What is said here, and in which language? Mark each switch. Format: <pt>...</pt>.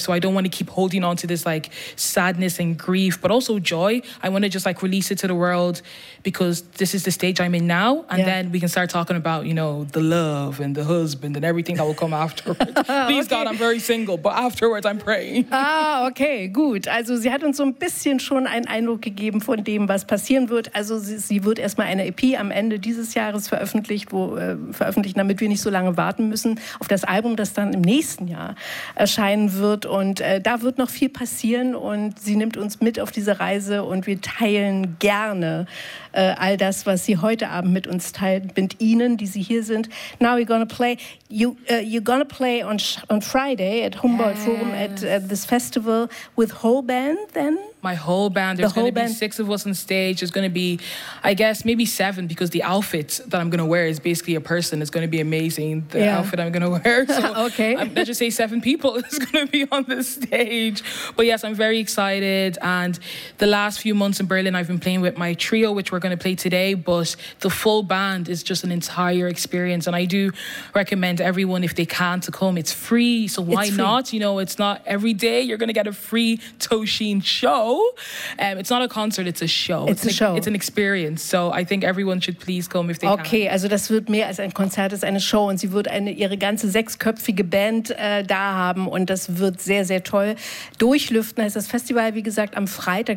<en>So I don't want to keep holding on to this like sadness and grief, but also joy. I want to just like release it to the world because this is the stage I'm in now. And then we can start talking about, you know, the love and the husband and everything that will come afterwards. Please God, I'm very single, but afterwards I'm praying.</en> <de>Ah, okay, gut. Also sie hat uns so ein bisschen schon einen Eindruck gegeben von dem, was passieren wird. Also sie wird erstmal eine EP am Ende dieses Jahres veröffentlichen, damit wir nicht so lange warten müssen auf das Album, das dann dann im nächsten Jahr erscheinen wird. Und da wird noch viel passieren und sie nimmt uns mit auf diese Reise und wir teilen gerne all das, was sie heute Abend mit uns teilt, mit Ihnen, die Sie hier sind.</de> <en>Now we're gonna play. You're gonna play on Friday at Humboldt yes. Forum at this festival with whole band then? My whole band. There's going to be six of us on stage. There's going to be, I guess, maybe seven because the outfit that I'm going to wear is basically a person. It's going to be amazing, the yeah. outfit I'm going to wear. So okay. I just say seven people is going to be on the stage. But yes, I'm very excited. And the last few months in Berlin, I've been playing with my trio, which we're going to play today. But the full band is just an entire experience. And I do recommend everyone, if they can, to come. It's free. So why free. Not? You know, it's not every day you're going to get a free Tosheen show. It's not a concert, it's a show. It's a show. It's an experience. So I think everyone should please come if they okay, can.</en> <de>Okay, also das wird mehr als ein Konzert, es ist eine Show. Und sie wird ihre ganze sechsköpfige Band da haben. Und das wird sehr, sehr toll. Durchlüften heißt das Festival, wie gesagt, am Freitag.</de>